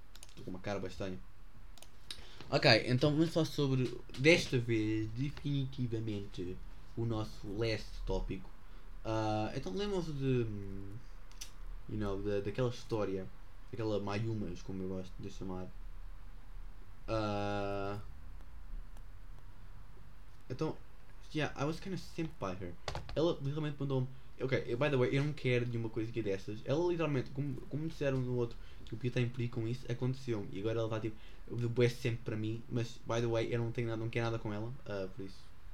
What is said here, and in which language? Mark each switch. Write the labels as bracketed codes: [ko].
[pt] Estou com uma cara bastante. Ok, então vamos falar sobre desta vez, definitivamente, o nosso last tópico. Então lembram-se de, [en] you know, [pt] daquela história, aquela Mayumas, como eu gosto de chamar. Então, [en] yeah, I was kind of simp by her. [pt] Ela literalmente mandou-me, ok, [en] by the way, [pt] eu não quero nenhuma coisa aqui dessas. Ela literalmente, como disseram no outro, que o Pio está implicado com isso, aconteceu-me. E agora ela está tipo, o best sempre para mim, mas [en] by the way, [pt] eu não tenho nada, não quero nada com ela, por isso.